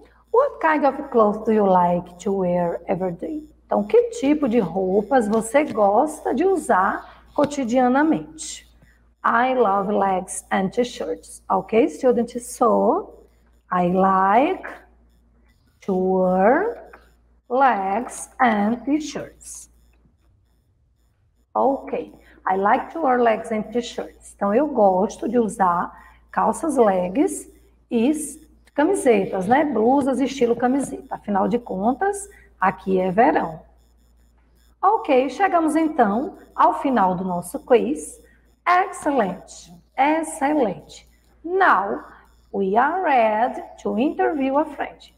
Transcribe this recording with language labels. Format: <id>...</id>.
<en>What kind of clothes do you like to wear every day?</en> <pt>Então, que tipo de roupas você gosta de usar cotidianamente?</pt> <en>I love legs and t-shirts. Ok, student? So, I like to wear legs and t-shirts. Ok. I like to wear legs and t-shirts.</en> <pt>Então, eu gosto de usar calças legs e camisetas, né? Blusas estilo camiseta. Afinal de contas, aqui é verão. Ok, chegamos então ao final do nosso quiz. Excelente, excelente.</pt> <en>Now, we are ready to interview a friend.</en>